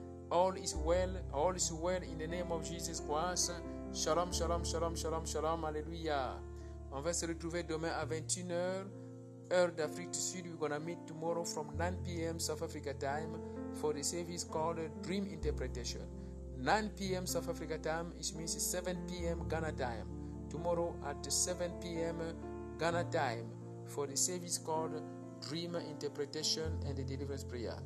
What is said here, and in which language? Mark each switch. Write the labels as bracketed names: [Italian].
[English] All is well in the name of Jesus Christ. Shalom. Hallelujah. [French] On va se retrouver demain à 21h, heure d'Afrique du Sud. [English] We're going to meet tomorrow from 9 p.m. South Africa time for the service called Dream Interpretation. 9 p.m. South Africa time, it means 7 p.m. Ghana time. tomorrow at 7 p.m. Ghana time for the service called Dream Interpretation and the Deliverance Prayer.